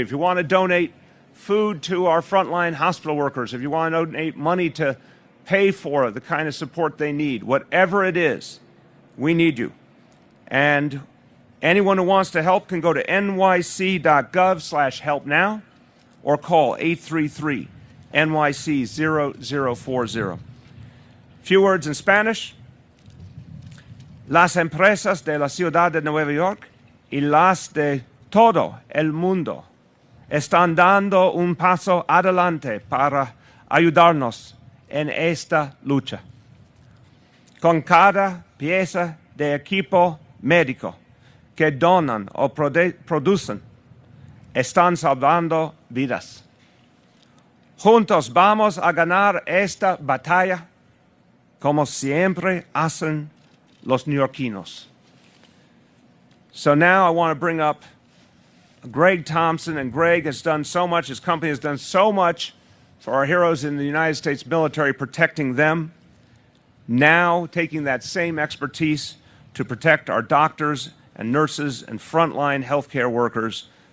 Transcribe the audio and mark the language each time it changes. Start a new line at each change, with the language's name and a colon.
English: If you want to donate food to our frontline hospital workers, if you want to donate money to pay for the kind of support they need, whatever it is, we need you. And anyone who wants to help can go to nyc.gov/help now or call 833-NYC-0040. A few words in Spanish.
Spanish: Las empresas de la ciudad de Nueva York y las de todo el mundo están dando un paso adelante para ayudarnos en esta lucha. Con cada pieza de equipo médico que donan o producen, están salvando vidas. Juntos vamos a ganar esta batalla como siempre hacen los neoyorquinos.
English: So now I want to bring up Greg Thompson, and Greg has done so much, his company has done so much for our heroes in the United States military, protecting them, now taking that same expertise to protect our doctors and nurses and frontline healthcare workers.